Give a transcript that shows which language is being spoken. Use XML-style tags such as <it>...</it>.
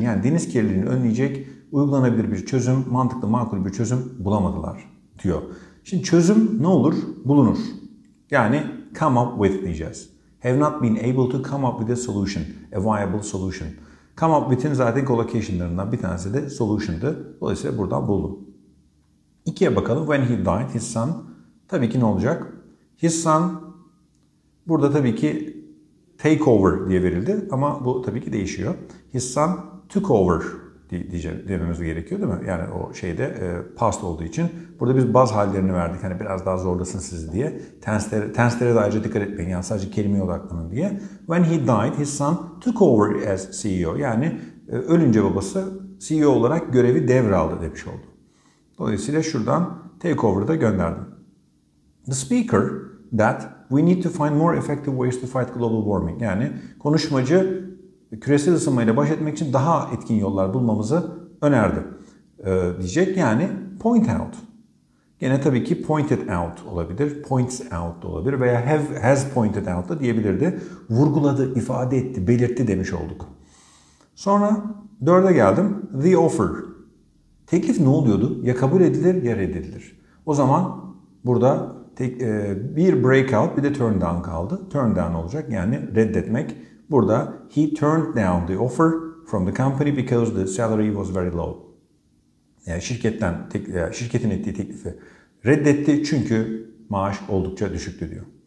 <tr>Yani deniz kirliliğini önleyecek uygulanabilir bir çözüm, mantıklı makul bir çözüm bulamadılar diyor. Şimdi çözüm ne olur? Bulunur. Yani come up with diyeceğiz.</tr> <en>Have not been able to come up with a solution. A viable solution.</en> <tr>Come up with'in zaten collocation'larından bir tanesi de solution'dı. Dolayısıyla buradan buldum. İkiye bakalım.</tr> <en>When he died, his son.</en> <tr>Tabii ki ne olacak? His son burada tabii ki take over diye verildi. Ama bu tabii ki değişiyor.</tr> <en>His son took over</en> <tr>dememiz gerekiyor değil mi? Yani o şeyde past olduğu için. Burada biz bazı hallerini verdik. Hani biraz daha zorlasın sizi diye. Tenslere de ayrıca dikkat etmeyin. Yani sadece kelimeye odaklanın diye.</tr> <en>When he died, his son took over as CEO.</en> <tr>Yani ölünce babası CEO olarak görevi devraldı demiş oldu. Dolayısıyla şuradan takeover'ı da gönderdim.</tr> <en>The speaker that we need to find more effective ways to fight global warming.</en> <tr>Yani konuşmacı küresel ısınmayla baş etmek için daha etkin yollar bulmamızı önerdi. Diyecek yani point out. Gene tabii ki pointed out olabilir, points out da olabilir veya has pointed out da diyebilirdi. Vurguladı, ifade etti, belirtti demiş olduk. Sonra dörde geldim. The offer. Teklif ne oluyordu? Ya kabul edilir ya reddedilir. O zaman burada bir breakout bir de turn down kaldı. Turn down olacak yani reddetmek. Burada</tr> <en>he turned down the offer from the company because the salary was very low.</en> <tr>Yani şirketin ettiği teklifi reddetti çünkü maaş oldukça düşüktü diyor.</tr>